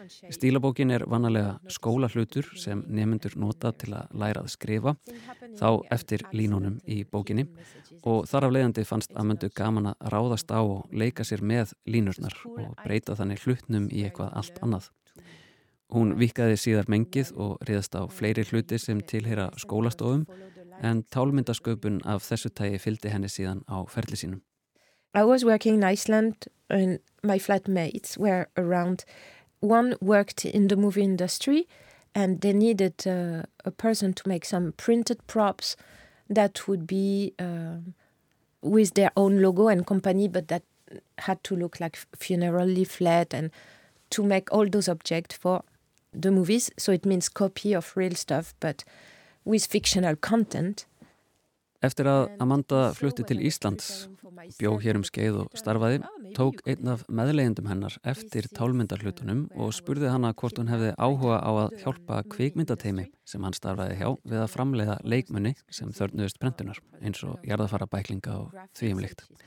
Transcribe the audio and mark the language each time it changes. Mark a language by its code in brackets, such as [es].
[is] Stílabókin er vannarlega skólahlutur sem nemendur nota til að læra að skrifa, þá eftir línunum í bókinni, og þar af leiðandi fannst Amöndu gaman að ráðast á og leika sér með línurnar og breyta þannig hlutnum í eitthvað allt annað. Hún vikkaði síðar mengið og réðast á fleiri hluti sem tilheyra skólastofum, en tálmyndasköpun af þessu tagi fylgdi henni síðan á ferli sínum. [en] I was working in Iceland and my flatmates were around. One worked in the movie industry and they needed a person to make some printed props that would be with their own logo and company, but that had to look like funeral leaflet and to make all those objects for the movies. So it means copy of real stuff, but with fictional content. [is] Eftir að Amanda flutti til Íslands, bjó hér skeið og starfaði, tók einn af meðleigendum hennar eftir tálmyndahlutunum og spurði hana hvort hún hefði áhuga á að hjálpa kvikmyndateimi sem hann starfaði hjá við að framleiða leikmunni sem þörfnuðust prentunar, eins og jarðafara bæklinga og því líkt.